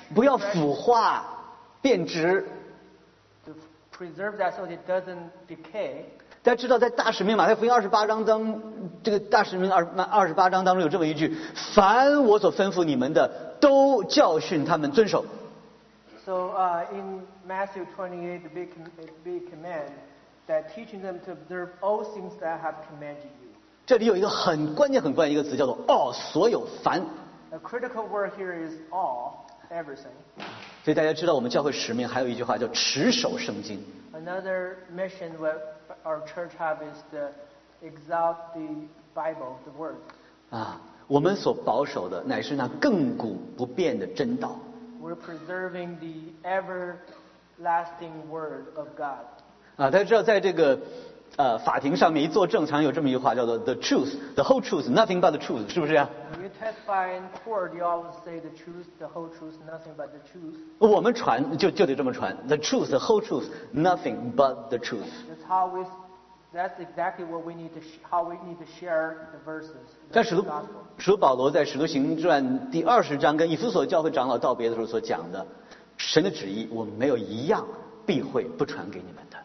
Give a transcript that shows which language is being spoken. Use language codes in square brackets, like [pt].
[zh] 不要腐化，变质。 [en] To preserve that so it doesn't decay. [zh] 大家知道，在大使命马太福音二十八章当，这个大使命二十八章当中有这么一句：凡我所吩咐你们的，都教训他们遵守。 [en] So, in Matthew 28, the big command that teaching them to observe all things that I have commanded you. [zh] 这里有一个很关键、很关键一个词，叫做 all， 所有凡。 [en] A critical word here is all, everything. [zh] 所以大家知道，我们教会使命还有一句话叫持守圣经。 [en] Another mission that our church have is to exalt the Bible, the Word. [zh] 啊，我们所保守的乃是那亘古不变的真道。 [en] We're preserving the everlasting word of God. [zh] 啊，大家知道，在这个法庭上面一作证，常有这么一句话，叫做 [en] "the truth, the whole truth, nothing but the truth"， [zh] 是不是啊 [en] ？You testify in court, you always say the truth, the whole truth, nothing but the truth. [zh] 我们传就得这么传 [en] ，the truth, the whole truth, nothing but the truth. That's exactly what we need to how we need to share the verses. [zh] 但使徒保罗在《使徒行传》第二十章跟以弗所教会长老道别的时候所讲的，神的旨意我们没有一样避讳不传给你们的。